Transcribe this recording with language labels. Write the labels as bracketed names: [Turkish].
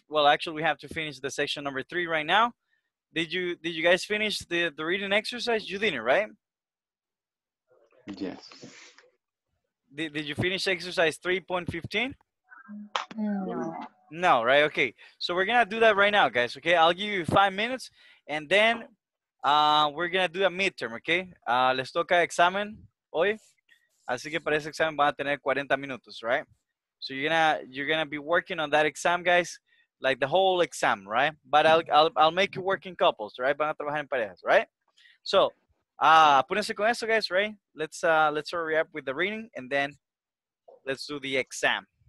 [English] Well, actually, we have to finish the section number three right now. Did you guys finish the reading exercise? You didn't, right? Yes. Did you finish exercise 3.15? No. No, right? Okay, so we're gonna do that right now, guys. Okay, I'll give you 5 minutes, and then we're gonna do a midterm. [Spanish] Okay, les toca examen hoy, así que para ese examen van a tener 40 minutos, right? [English] So you're gonna be working on that exam, guys, like the whole exam, right? But I'll make you work in couples, right? [Spanish] Van a trabajar en parejas, [English] right? So [Spanish] apúrense con eso, [English] guys, right? Let's hurry up with the reading and then let's do the exam.